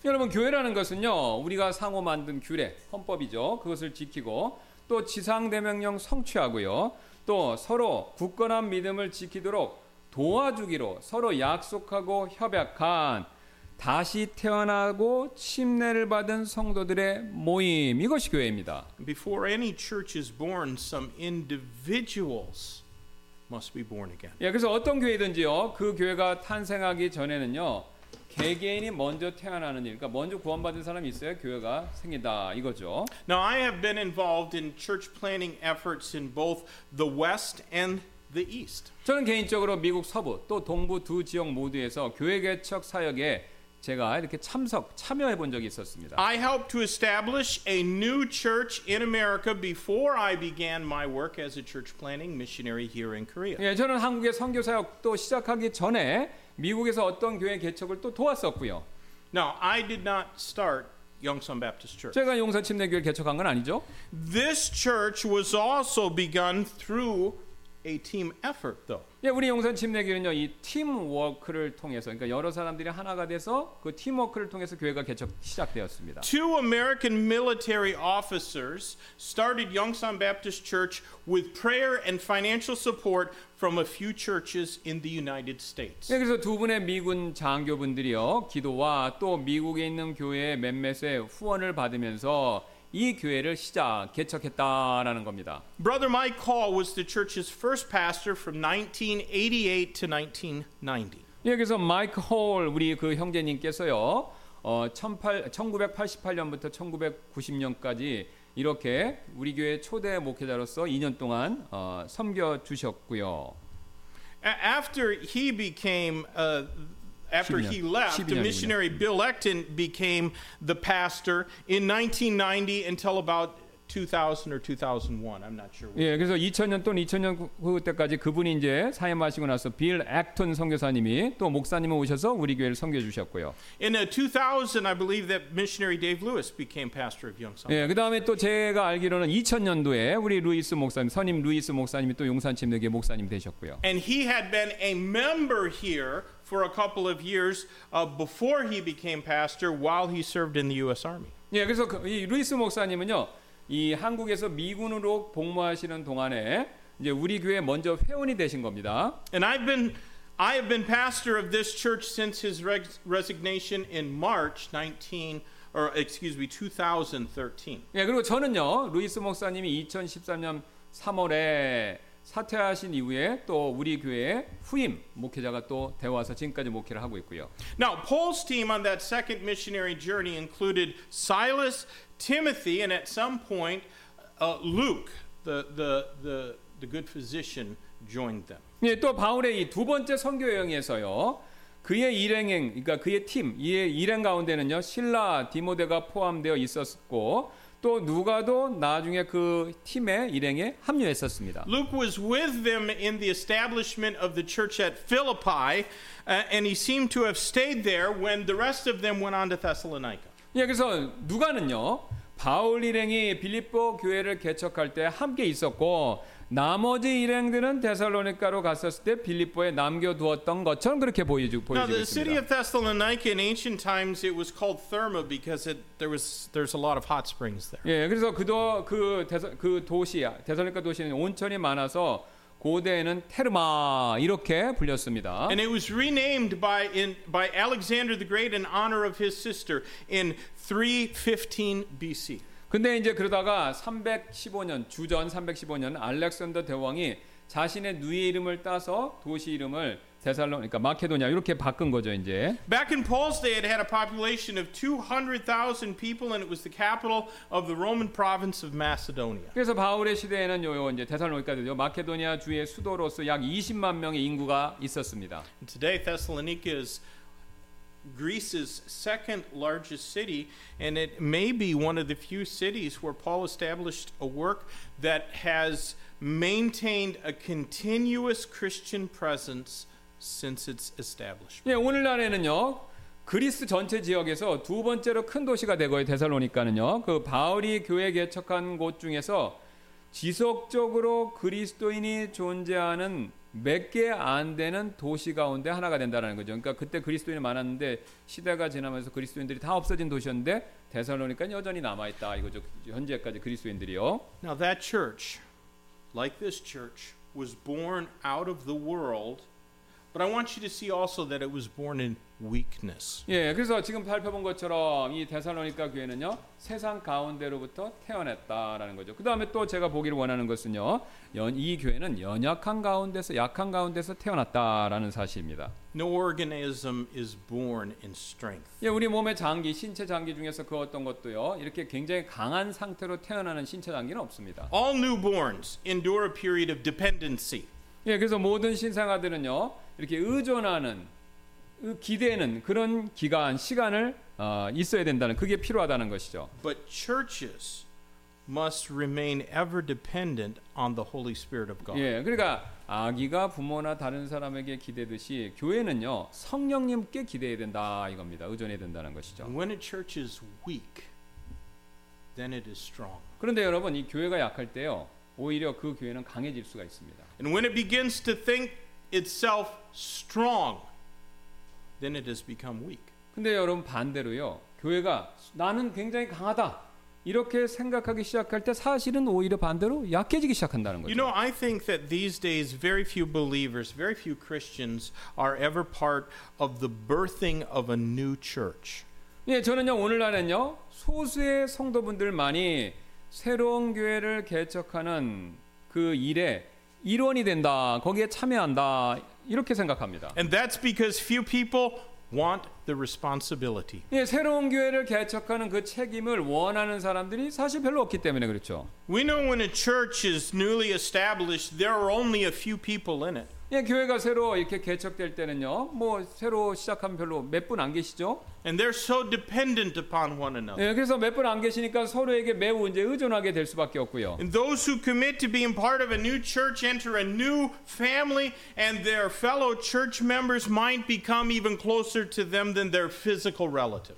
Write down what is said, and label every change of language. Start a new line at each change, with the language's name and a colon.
Korean: 여러분, 교회라는 것은요. 우리가 상호 만든 규례, 헌법이죠. 그것을 지키고 또 지상대명령 성취하고요. 또 서로 굳건한 믿음을 지키도록 도와주기로 서로 약속하고 협약한 다시 태어나고 침례를 받은 성도들의 모임. 이것이 교회입니다.
English: Before any church is born, some individuals must be born again.
Korean: 예, 그래서 어떤 교회든지요. 그 교회가 탄생하기 전에는요. 개개인이 먼저 태어나는 일, 그러니까 먼저 구원받은 사람이 있어야 교회가 생긴다 이거죠.
English: Now I have been involved in church planning efforts in both the West and the East.
Korean: 저는 개인적으로 미국 서부 또 동부 두 지역 모두에서 교회 개척 사역에 제가 이렇게 참여해 본 적이 있었습니다.
English: I helped to establish a new church in America before I began my work as a church planning missionary here in Korea.
Korean: 예, 저는 한국의 선교 사역 또 시작하기 전에 미국에서 어떤 교회 개척을 또 도왔었고요.
English: Now, I did not start Yongsan Baptist Church.
Korean: 제가 용산 침례교회 개척한 건 아니죠.
English: This church was also begun through a team effort, though.
Korean: 예, 우리 용산 침례교회는요, 이 팀워크를 통해서, 그러니까 여러 사람들이 하나가 돼서 그 팀워크를 통해서 교회가 개척 시작되었습니다.
English: Two American military officers started Yongsan Baptist Church with prayer and financial support from a few churches in the United States.
Korean: 예, 그래서 두 분의 미군 장교분들이요, 기도와 또 미국에 있는 교회의 몇몇의 후원을 받으면서 이 교회를 시작 개척했다라는 겁니다.
English: Brother Mike Hall was the church's first pastor from 1988 to 1990.
Korean: 여기서 마이크 홀 우리 그 형제님께서요. 1988년부터 1990년까지 이렇게 우리 교회 초대 목회자로서 2년 동안 섬겨 주셨고요.
English: After he became After he left, missionary Bill Ecton became the pastor in 1990 until about 2000 or 2001. I'm not sure.
Korean: 예, 그래서 2000년 또는 2000년 그때까지 그분이 이제 사임하시고 나서 빌 액턴 선교사님이 또 목사님을 오셔서 우리 교회를 섬겨 주셨고요.
English: In 2000, I believe that missionary Dave Lewis became pastor of Yongsan.
Korean: 예, 그다음에 또 제가 알기로는 2000년도에 우리 루이스 목사님, 선임 루이스 목사님이 또 용산 침례교회 목사님 되셨고요.
English: And he had been a member here for a couple of years before he became pastor while he served in the US Army.
Korean: 예, 그래서 이 루이스 목사님은요. 이 한국에서 미군으로 복무하시는 동안에 이제 우리 교회 먼저 회원이 되신 겁니다.
English: And I have been pastor of this church since his resignation in March 2013.
Korean: 예, 그리고 저는요. 루이스 목사님이 2013년 3월에 사퇴하신 이후에 또 우리 교회 후임 목회자가 또 되어와서 지금까지 목회를 하고 있고요.
English: Now Paul's team on that second missionary journey included Silas, Timothy, and at some point Luke, the good physician, joined them.
Korean: 예, 또 바울의 이 두 번째 선교 여행에서요, 그의 일행행, 그러니까 그의 팀, 이의 일행 가운데는요, 실라, 디모데가 포함되어 있었고. 또 누가도 나중에 그 팀의 일행에 합류했었습니다.
English: Luke was with them in the establishment of the church at Philippi, and he seemed to have stayed there when the rest of them went on to Thessalonica.
Korean: 예, 그래서 누가는요, 바울 일행이 빌립보 교회를 개척할 때 함께 있었고, 나머지 일행들은 데살로니카로 갔었을 때 빌립보에 남겨두었던 것처럼 그렇게 보여지고 있습니다.
English: Now the city of Thessalonica in ancient times it was called Therma because there's a lot of hot springs there.
Korean: 예, 그래서 그 도시야, 데살로니카 도시는 온천이 많아서 고대에는 테르마 이렇게 불렸습니다.
English: And it was renamed by Alexander the Great in honor of his sister in 315 BC.
Korean: 근데 이제 그러다가 315년 주전 315년 알렉산더 대왕이 자신의 누이 이름을 따서 도시 이름을 데살로니카 마케도니아 이렇게 바꾼 거죠 이제.
English: Back in Paul's day, it had a population of 200,000 people, and it was the capital of the Roman province of Macedonia.
Korean: 그래서 바울의 시대에는 요 이제 데살로니카 대도 마케도니아 주의 수도로서 약 20만 명의 인구가 있었습니다.
English: Today, Thessalonica is Greece's second largest city, and it may be one of the few cities where Paul established a work that has maintained a continuous Christian presence since its establishment.
Korean: 예, 오늘날에는요, 그리스 전체 지역에서 두 번째로 큰 도시가 되고요, 데살로니카는요, 그 바울이 교회 개척한 곳 중에서 지속적으로 그리스도인이 존재하는 몇 개 안 되는 도시 가운데 하나가 된다라는 거죠. 그러니까 그때 그리스도인이 많았는데 시대가 지나면서 그리스도인들이 다 없어진 도시였는데 데살로니카 여전히 남아 있다. 이거죠. 현재까지 그리스도인들이요.
English: Now that church, like this church, was born out of the world, but I want you to see also that it was born in weakness.
Korean: 예, 그래서 지금 살펴본 것처럼 이 데살로니카 교회는요 세상 가운데로부터 태어났다라는 거죠. 그 다음에 또 제가 보기를 원하는 것은요 이 교회는 연약한 가운데서 약한 가운데서 태어났다라는 사실입니다.
English: No organism is born in strength.
Korean: 예, 우리 몸의 장기, 신체 장기 중에서 그 어떤 것도요 이렇게 굉장히 강한 상태로 태어나는 신체 장기는 없습니다.
English: All newborns endure a period of dependency.
Korean: 예, 그래서 모든 신생아들은요 이렇게 의존하는 기대는 그런 기간 시간을 있어야 된다는 그게 필요하다는 것이죠.
English: But churches must remain ever dependent on the Holy Spirit of God.
Korean: 예, 그러니까 아기가 부모나 다른 사람에게 기대듯이 교회는요 성령님께 기대해야 된다 이겁니다. 의존해야 된다는 것이죠.
English: When a church is weak, then it is strong.
Korean: 그런데 여러분 이 교회가 약할 때요 오히려 그 교회는 강해질 수가 있습니다.
English: And when it begins to think itself strong, then it has become weak.
Korean: 근데 여러분 반대로요 교회가 나는 굉장히 강하다 이렇게 생각하기 시작할 때 사실은 오히려 반대로 약해지기 시작한다는 거죠.
English: You know, I think that these days very few believers, very few Christians are ever part of the birthing of a new church.
Korean: 예, 저는요 오늘날은요 소수의 성도분들만이 새로운 교회를 개척하는 그 일에 일원이 된다, 거기에 참여한다 이렇게 생각합니다.
English: And that's because few people want the responsibility.
Korean: 예, 새로운 교회를 개척하는 그 책임을 원하는 사람들이 사실 별로 없기 때문에 그렇죠.
English: We know when a church is newly established, there are only a few people in it.
Korean: 예, 교회가 새로 이렇게 개척될 때는요, 뭐 새로 시작하면 별로 몇 분 안 계시죠.
English: And they're so dependent upon one another.
Korean: 예, 그래서 몇 분 안 계시니까 서로에게 매우 이제 의존하게 될 수밖에 없고요.
English: And those who commit to being part of a new church enter a new family, and their fellow church members might become even closer to them than their physical relatives.